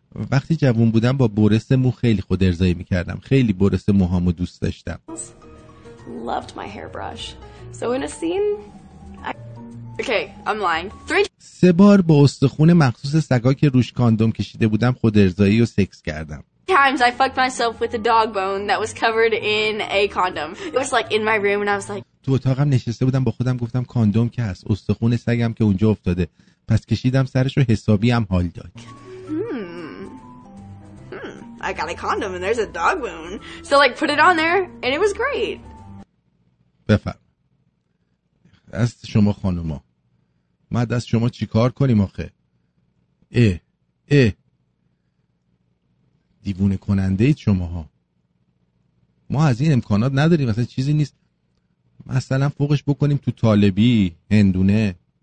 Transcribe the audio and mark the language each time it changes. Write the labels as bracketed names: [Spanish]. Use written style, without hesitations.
[Persian] وقتی جوون بودم با برس مو خیلی خود ارضایی میکردم، خیلی برس موهامو دوست داشتم. [English] Loved my hairbrush. So in a scene, okay, I'm lying. [Persian] سه بار با استخون مخصوص سگا که روش کاندوم کشیده بودم خود ارضایی و سکس کردم. [English] times I fucked myself with a dog bone that was covered in a condom. It was like in my room and I was like [Persian] تو اتاقم نشسته بودم با خودم گفتم کاندوم که هست استخون سگم که اونجا افتاده پس کشیدم سرش رو حسابی هم حال داد [English] I got a condom and there's a dog bone. So like put it on there and it was great. [Persian] بفرم از شما خانوما ما دست شما چی کار کنیم آخه دیوونه کننده اید شماها ما از این امکانات نداریم مثلا چیزی نیست مثلا فوقش بکنیم تو طالبی هندونه